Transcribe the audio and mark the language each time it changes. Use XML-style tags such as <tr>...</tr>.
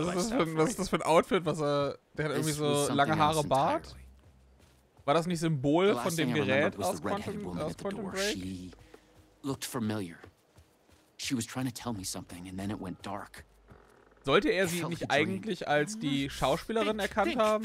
<de>Was ist das für, was ist das für ein Outfit, was er. Der hat irgendwie so lange Haare, Bart? War das nicht Symbol von dem Gerät aus Quantum Break?</de> <en>She looked familiar. She was trying to tell me something and then it went dark.</en> <de>Sollte er sie nicht eigentlich als die Schauspielerin erkannt haben?</de>